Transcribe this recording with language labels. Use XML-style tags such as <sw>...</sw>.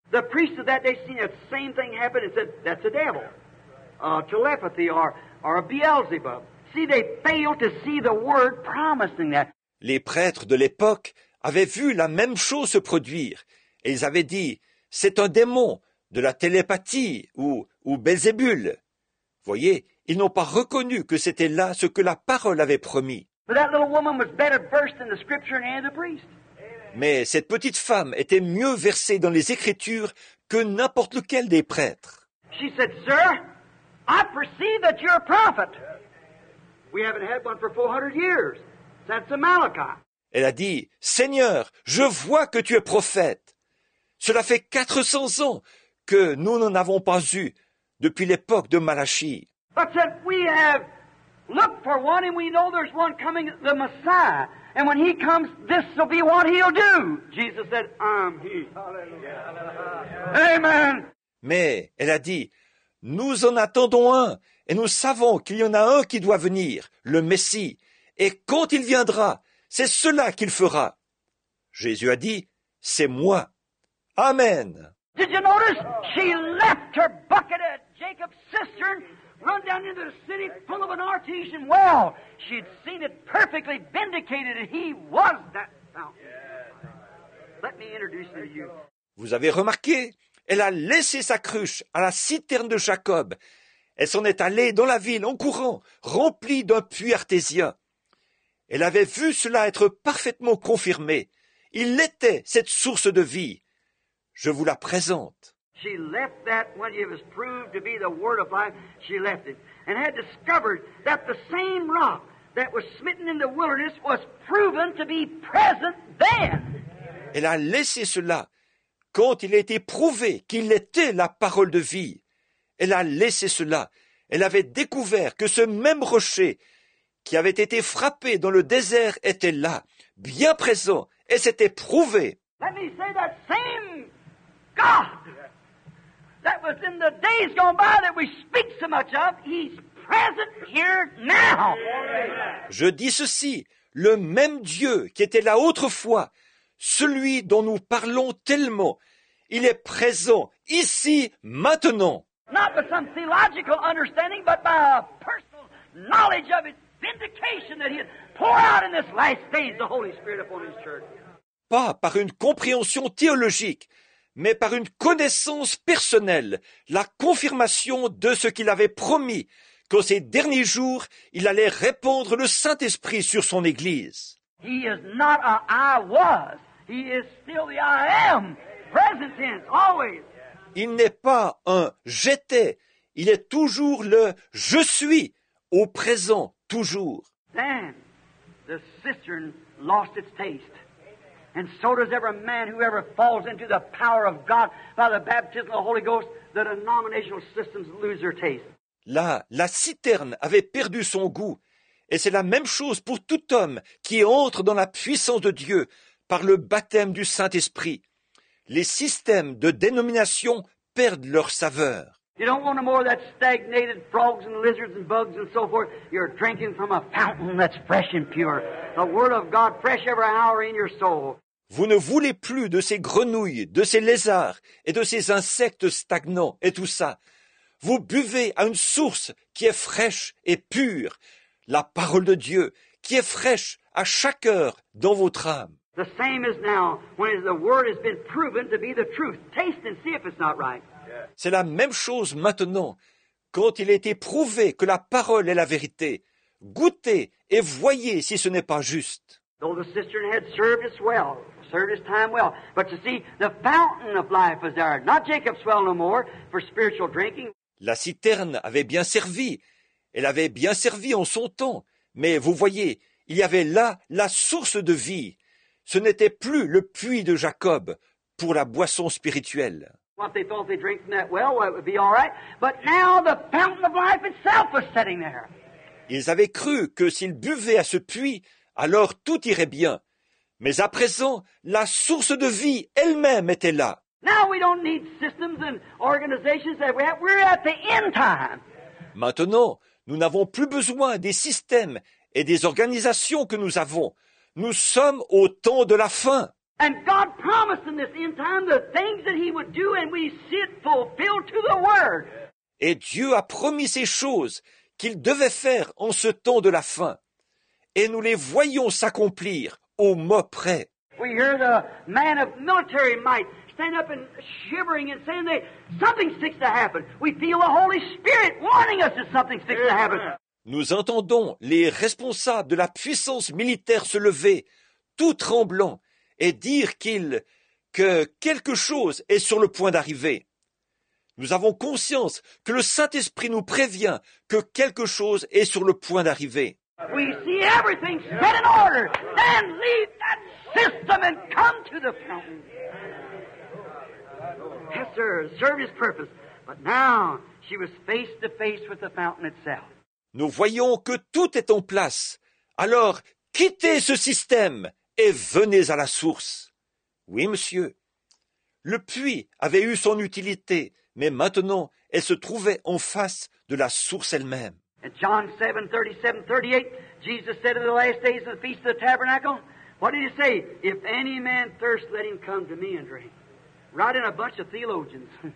<en>The priest of that day seen that same thing happen and said, that's a devil. Telepathy or a Beelzebub. See, they failed to see the word promising that.</en> <fr>Les prêtres de l'époque avaient vu la même chose se produire. Et ils avaient dit, c'est un démon de la télépathie ou Belzébul. Voyez, ils n'ont pas reconnu que c'était là ce que la parole avait promis.</fr> <en>But that little woman was better versed in the scripture than any of the priests.</en> <fr>Mais cette petite femme était mieux versée dans les Écritures que n'importe lequel des prêtres.</fr> <en>She said, Sir, I perceive that you're a prophet. We haven't had one for 400 years. That's a Malachi.</en> <fr>Elle a dit, Seigneur, je vois que tu es prophète. Cela fait 400 ans que nous n'en avons pas eu depuis l'époque de Malachie.</fr> <en>But said, we have looked for one and we know there's one coming, the Messiah. And when he comes, this will be what he'll do. Jesus said, I'm he. Amen.</en> <fr>Mais elle a dit, nous en attendons un, et nous savons qu'il y en a un qui doit venir, le Messie. Et quand il viendra, c'est cela qu'il fera. Jésus a dit, c'est moi. Amen.</fr> <en>Did you notice? She left her bucket at Jacob's cistern. Run down into the city full of an artesian well. She had seen it perfectly vindicated, and he was that fountain. Let me introduce you to you.</en> <fr>Vous avez remarqué, elle a laissé sa cruche à la citerne de Jacob. Elle s'en est allée dans la ville en courant, remplie d'un puits artésien. Elle avait vu cela être parfaitement confirmé. Il était cette source de vie. Je vous la présente.</fr> <en>She left that when it was proved to be the word of life, she left it. And had discovered that the same rock that was smitten in the wilderness was proven to be present then.</en> <fr>Elle a laissé cela quand il a été prouvé qu'il était la parole de vie. Elle a laissé cela. Elle avait découvert que ce même rocher qui avait été frappé dans le désert était là, bien présent, et c'était prouvé.</fr> <en>Let me say that same God. That was in the days gone by that we speak so much of. He's present here now.</en> <fr>Je dis ceci, le même Dieu qui était là autrefois, celui dont nous parlons tellement, il est présent ici maintenant.</fr> <en>Not by some theological understanding, but by a personal knowledge of his vindication that he had poured out in this last days the Holy Spirit upon his church.</en> <fr>Pas par une compréhension théologique, mais par une connaissance personnelle, la confirmation de ce qu'il avait promis, qu'en ces derniers jours, il allait répandre le Saint-Esprit sur son Église.</fr> <en>He is not a I was. He is still the I am. Present tense, always.</en> <fr>Il n'est pas un j'étais, il est toujours le je suis, au présent, toujours.</fr> <en>Then, the cistern lost its taste. And so does every man who ever falls into the power of God by the baptism of the Holy Ghost, the denominational systems lose their taste.</en> <fr>Là, la citerne avait perdu son goût. Et c'est la même chose pour tout homme qui entre dans la puissance de Dieu par le baptême du Saint-Esprit. Les systèmes de dénomination perdent leur saveur.</fr> <en>You don't want no more of that stagnated frogs and lizards and bugs and so forth. You're drinking from a fountain that's fresh and pure. The word of God fresh every hour in your soul.</en> <fr>Vous ne voulez plus de ces grenouilles, de ces lézards et de ces insectes stagnants et tout ça. Vous buvez à une source qui est fraîche et pure. La parole de Dieu qui est fraîche à chaque heure dans votre âme.</fr> <en>The same is now when the word has been proven to be the truth. Taste and see if it's not right.</en> <fr>C'est la même chose maintenant, quand il a été prouvé que la parole est la vérité. Goûtez et voyez si ce n'est pas juste.</fr> <en>Though the cistern had served us well, served his time well, but you see, the fountain of life was there, not Jacob's well no more, for spiritual drinking.</en> <fr>La citerne avait bien servi, elle avait bien servi en son temps, mais vous voyez, il y avait là la source de vie. Ce n'était plus le puits de Jacob pour la boisson spirituelle.</fr> <en>What they thought they drank from that well, well, it would be all right. But now the fountain of life itself was sitting there.</en> <fr>Ils avaient cru que s'ils buvaient à ce puits, alors tout irait bien. Mais à présent, la source de vie elle-même était là.</fr> <en>Now we don't need systems and organizations that we have. We're at the end time.</en> <fr>Maintenant, nous n'avons plus besoin des systèmes et des organisations que nous avons. Nous sommes au temps de la fin.</fr> <en>And God promised in this end time the things that he would do and we see it fulfilled to the word.</en> <fr>Et Dieu a promis ces choses qu'il devait faire en ce temps de la fin. Et nous les voyons s'accomplir au mot près.</fr> <en>We hear the man of military might stand up and shivering and saying that something's fixed to happen. We feel the Holy Spirit warning us that something's fixed to happen.</en> <fr>Nous entendons les responsables de la puissance militaire se lever, tout tremblant, et dire que quelque chose est sur le point d'arriver. Nous avons conscience que le Saint-Esprit nous prévient que quelque chose est sur le point d'arriver.</fr> <en>We see everything set in order. Then leave that system and come to the fountain. Yes, sir, serve his purpose. But now she was face to face with the fountain itself.</en> <fr>Nous voyons que tout est en place. Alors, quittez ce système et venez à la source. Oui, monsieur. Le puits avait eu son utilité, mais maintenant, elle se trouvait en face de la source elle-même.</fr> <en>In John 7:37-38, Jesus said in the last days of the feast of the tabernacle, what did he say? If any man thirst, let him come to me and drink. Right in a bunch of theologians.</en>